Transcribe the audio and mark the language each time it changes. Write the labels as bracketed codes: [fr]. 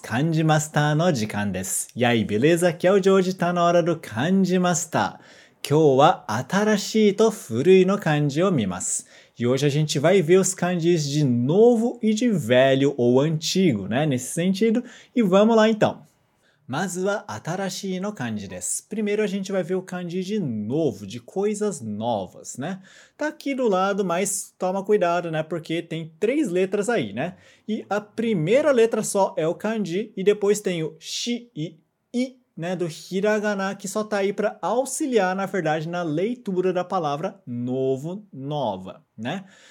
[ja] 漢字マスターの時間です。やいびれざきゃをジョージたのあらる漢字マスター。今日は新しいと古いの漢字を見ます。 [pt] E hoje a gente vai ver os kanjis de novo e de velho ou antigo, né? Nesse sentido. E vamos lá então. [ja] まずは新しいの漢字です。 [pt] Primeiro a gente vai ver o kanji de novo, de coisas novas, né? Tá aqui do lado, mas toma cuidado, né? Porque tem três letras aí, né? E a primeira letra só é o kanji e depois tem o shi e i, né? Do hiragana, que só tá aí para auxiliar, na verdade, na leitura da palavra novo, nova, né?